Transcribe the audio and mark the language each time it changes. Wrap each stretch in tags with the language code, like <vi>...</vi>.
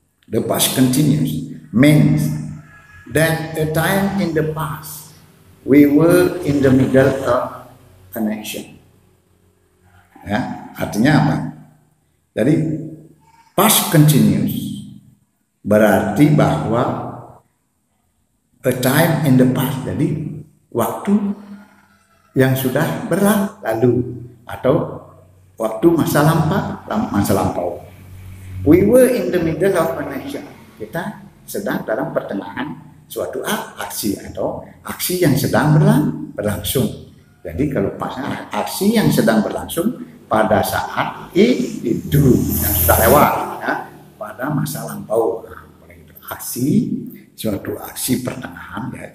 <en>The past continuous means that a time in the past we were in the middle of an action.</en> <id>Ya, artinya apa? Jadi past continuous berarti bahwa</id> <en>a time in the past,</en> <id>jadi waktu yang sudah berlalu atau waktu masa lampau.</id> <en>We were in the middle of an action.</en> <id>Kita sedang dalam pertengahan suatu aksi atau aksi yang sedang berlangsung. Jadi kalau pasnya aksi yang sedang berlangsung pada saat itu yang sudah lewat, ya, pada masa lampau. Nah, itu aksi, suatu aksi pertengahan, ya.</id>